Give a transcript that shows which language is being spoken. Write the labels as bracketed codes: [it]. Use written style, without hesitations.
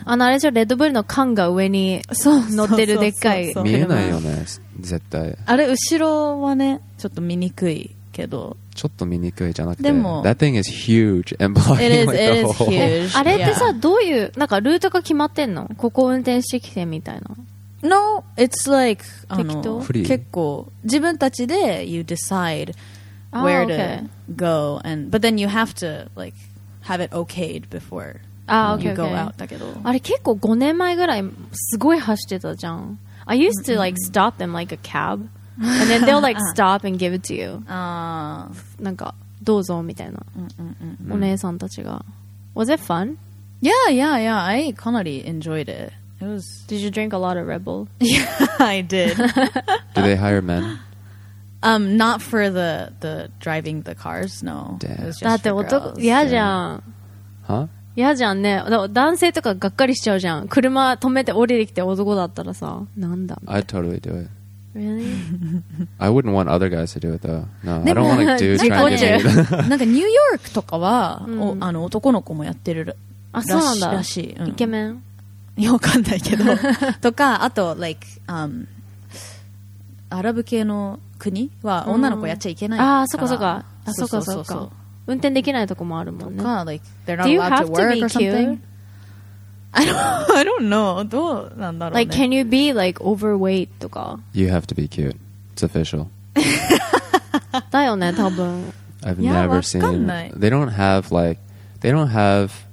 [ja] あの、あれじゃ、レッドブルの缶が上に乗ってるでっかい。見えないよね、絶対。あれ、後ろはね、ちょっと見にくいけど。ちょっと見にくいじゃなくて。でも。 [en] That thing is huge and blocking the whole. It is huge. [ja] あれってさ、どういう、なんかルートが決まってんの？ここ運転してきてみたいな。 [en] No, it's like, [ja] あの、結構、自分たちで [en] you decide where to go and, but then you have to, like,have it okayed before you go out [ja] だけど。あれ結構5年前ぐらいすごい走ってたじゃん。 [en] I used to like stop them like a cab and then they'll like stop and give it to you. [ja] なんかどうぞみたいな。お姉さんたちが。 [en] Was it fun? Yeah, yeah, yeah. I [ja] かなり [en] enjoyed it. It was... Did you drink a lot of Red Bull? Yeah, I did. Do they hire men? Not for the driving the cars, no. [ja] だって男、嫌じゃん。は？嫌じゃんね。男性とかがっかりしちゃうじゃん。車止めて降りてきて男だったらさ、なんだ。 [en] I'd totally do it. Really? I wouldn't want other guys to do it though. No, I don't want to do trying to get it. [ja] なんかニューヨークとかは、あの男の子もやってるらしい。あ、そうなんだ。らしい。イケメン？わかんないけど。とか、あと、like, アラブ系の国は女の子やっちゃいけないから、あ、そこそこ、あ、そこそこ、運転できないとこもあるもんね。 [en] とか、like, they're not allowed to work or something? I don't know. [ja] どうなんだろうね。 [en] Like, can you be, like, overweight とか? You have to be cute. It's official. [ja] だよね、多分。 [en] I've never seen... They don't have, like... They don't have...